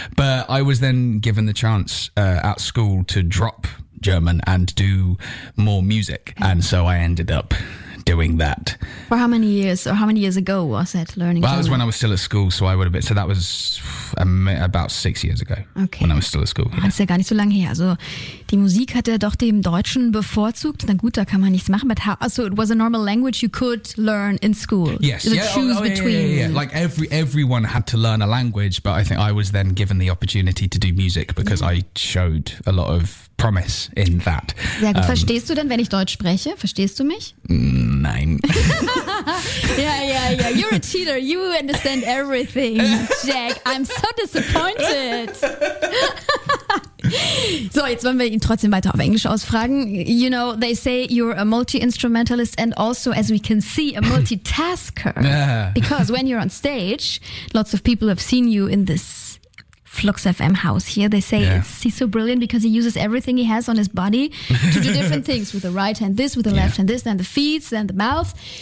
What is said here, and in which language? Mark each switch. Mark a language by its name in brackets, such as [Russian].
[English] But I was then given the chance at school to drop German and do more music, and so I ended up doing that. For how many years or how many years ago was it learning? Well, that was when I was still at school, so I would have been. So that was about 6 years ago. Okay. When I was still at school. [German] Das ist ja gar nicht so lange her. Also, die Musik hat er doch dem Deutschen bevorzugt. Na gut, da kann man nichts machen. [English] But how? So it was a normal language you could learn in school. Yes. To choose between. Yeah. Like everyone had to learn a language, but I think I was then given the opportunity to do music because I showed a lot of promise in that. [German] Sehr gut. Verstehst du denn, wenn ich Deutsch spreche? Verstehst du mich? Nein. [English] Yeah. You're a cheater. You understand everything, Jack. I'm so disappointed. [German] So, jetzt wollen wir ihn trotzdem weiter auf Englisch ausfragen. [English] You know, they say you're a multi-instrumentalist and also, as we can see, a multitasker. Because when you're on stage, lots of people have seen you in this Flux FM house here. They say he's so brilliant because he uses everything he has on his body to do different things with the right hand, this, with the left hand, this, then the feet, then the mouth.